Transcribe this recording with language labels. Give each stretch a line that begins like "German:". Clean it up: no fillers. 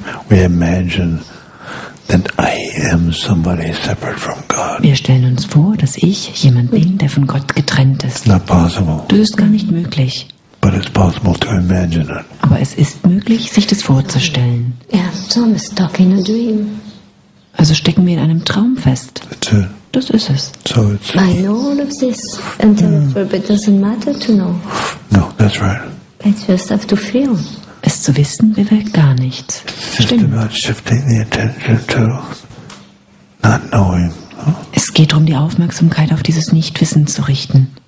English: We imagine that I am somebody separate from God.
German: Wir stellen uns vor, dass ich jemand bin, der von Gott getrennt ist.
English: Not possible.
German: Das ist gar nicht möglich.
English: But it's possible to imagine it.
German: Aber es ist möglich, sich das vorzustellen.
English: Yeah, Tom is stuck in a dream.
German: Also stecken wir in einem Traum fest.
English: That's it.
German: Das ist es.
English: So it's. I know all of this, and but it doesn't matter to know. No, that's right. It's just have to feel.
German: Es zu wissen bewirkt gar nichts.
English: It's just about shifting the attention to not knowing.
German: Es geht darum, die Aufmerksamkeit auf dieses Nichtwissen zu richten.